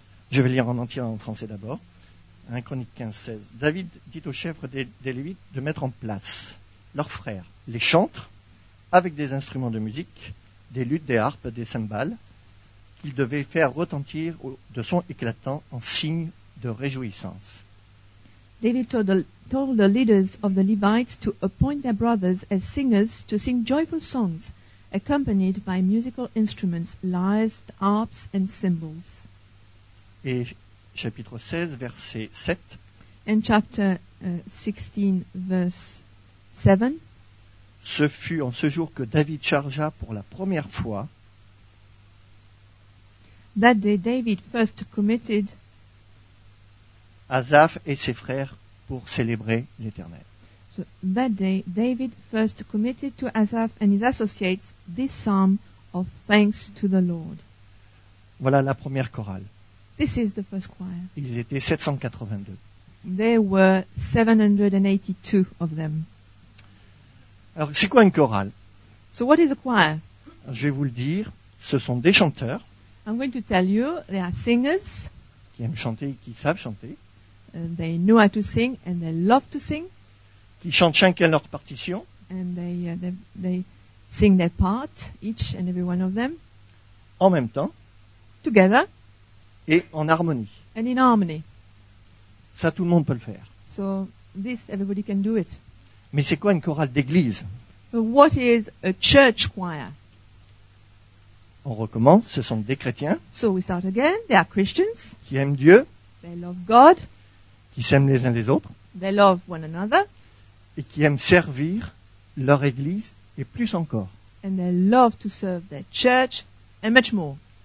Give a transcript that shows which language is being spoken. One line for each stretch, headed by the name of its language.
French: Je vais lire en entier en français d'abord. 1 Chronique 15, 16. David dit aux chefs des Lévites de mettre en place leurs frères, les chantres, avec des instruments de musique, des luttes, des harpes, des cymbales, qu'ils devaient faire retentir de son éclatant en signe de réjouissance.
English: David told the leaders of the Levites to appoint their brothers as singers to sing joyful songs, accompanied by musical instruments, lyres, harps and cymbals.
French: Et chapitre 16, verset 7.
English: And chapter 16, verse 7.
French: Ce fut en ce jour que David chargea pour la première fois.
English: That day David first committed.
French: Asaph et ses frères pour célébrer l'Éternel.
English: So that day David first committed to Asaph and his associates this psalm of thanks to the Lord.
French: Voilà la première chorale.
English: This is the first choir.
French: Ils étaient 782.
English: There were 782 of them.
French: Alors, c'est quoi une chorale?
English: So what is a choir?
French: Je vais vous le dire, ce sont des chanteurs.
English: I'm going to tell you, they are singers.
French: Qui aiment chanter et qui savent chanter.
English: They know how to sing and they love to sing.
French: Qui chantent chacun leur partition.
English: And they sing their part, each and every one of them.
French: En même temps.
English: Together.
French: Et en harmonie.
English: And in harmony.
French: Ça, tout le monde peut le faire.
English: So, this, everybody can do it.
French: Mais c'est quoi une chorale d'église?
English: What is a church choir?
French: On recommence, ce sont des chrétiens.
English: So we start again. They are Christians.
French: Qui aiment Dieu.
English: They love God.
French: Qui s'aiment les uns les autres.
English: They love one another.
French: Et qui aiment servir leur église et plus encore.
English: And they love to serve their church and much more.